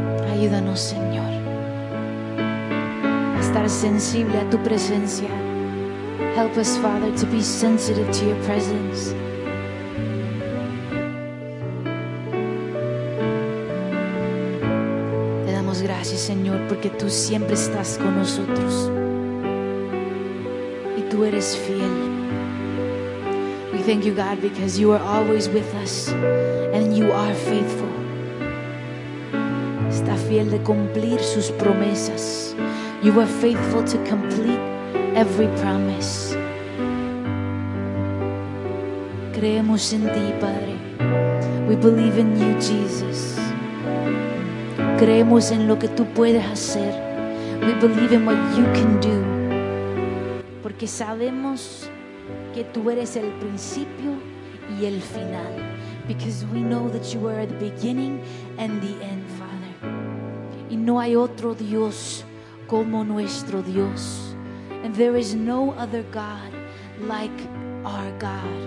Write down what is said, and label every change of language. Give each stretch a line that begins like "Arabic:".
Spanish: Ayúdanos, Señor, a estar sensible a tu presencia.
English: Help us, Father, to be sensitive to your presence.
Spanish: Te damos gracias, Señor, porque tú siempre estás con nosotros y tú eres fiel.
English: We thank you, God, because you are always with us and you are faithful.
Spanish: Fiel de cumplir sus promesas.
English: You are faithful to complete every promise.
Spanish: Creemos en ti, Padre.
English: We believe in you, Jesus.
Spanish: Creemos en lo que tú puedes hacer.
English: We believe in what you can do.
Spanish: Porque sabemos que tú eres el principio y el final.
English: Because we know that you are the beginning and the end.
Spanish: Y no hay otro Dios como nuestro Dios.
English: And there is no other God like our God.